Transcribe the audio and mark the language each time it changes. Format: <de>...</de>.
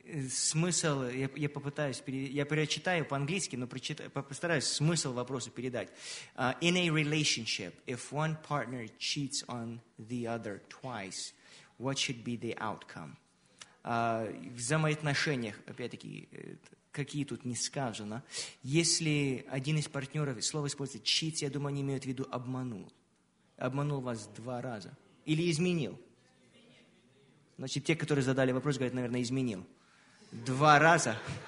<ru>Смысл, я попытаюсь, я прочитаю по-английски, но постараюсь смысл вопроса передать.</ru> <en>In a relationship, if one partner cheats on the other twice, what should be the outcome?</en> <ru>В взаимоотношениях, опять-таки, какие тут не сказано. Если один из партнеров, слово использует cheats, я думаю, они имеют в виду обманул. Обманул вас два раза. Или изменил. Значит, те, которые задали вопрос, говорят, наверное, изменил. Два раза.</ru>